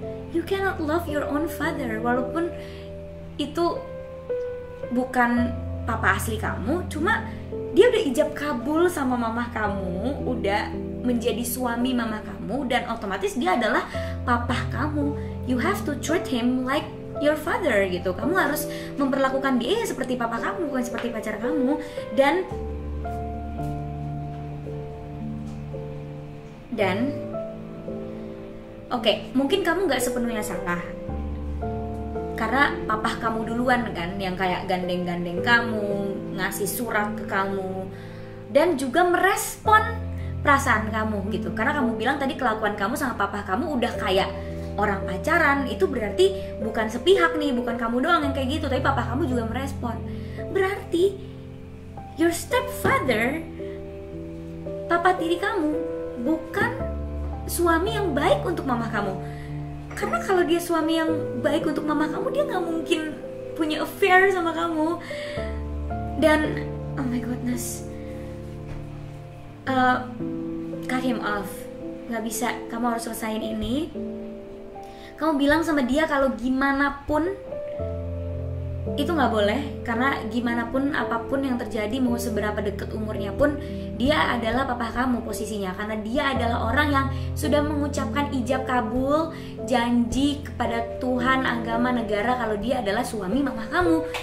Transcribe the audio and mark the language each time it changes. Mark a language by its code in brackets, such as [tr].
[en] You cannot love your own father [id] walaupun itu bukan papa asli kamu, cuma dia udah ijab kabul sama mama kamu, udah menjadi suami mama kamu dan otomatis dia adalah papa kamu. [en] You have to treat him like your father gitu. [id] Kamu harus memperlakukan dia seperti papa kamu, bukan seperti pacar kamu. Dan, okay, mungkin kamu gak sepenuhnya salah karena papa kamu duluan kan yang kayak gandeng-gandeng kamu, ngasih surat ke kamu dan juga merespon perasaan kamu gitu. Karena kamu bilang tadi kelakuan kamu sama papa kamu udah kayak orang pacaran, itu berarti bukan sepihak nih, bukan kamu doang yang kayak gitu, tapi papa kamu juga merespon. Berarti [en] your stepfather [id] papa tiri kamu bukan suami yang baik untuk mama kamu. Karena kalau dia suami yang baik untuk mama kamu, dia gak mungkin punya affair sama kamu. [en] Dan oh my goodness, cut him off. [id] Gak bisa, kamu harus selesain ini. Kamu bilang sama dia kalau gimana pun itu gak boleh. Karena gimana pun, apapun yang terjadi, mau seberapa deket umurnya pun, dia adalah papa kamu posisinya. Karena dia adalah orang yang sudah mengucapkan ijab kabul, janji kepada Tuhan, agama, negara kalau dia adalah suami mama kamu.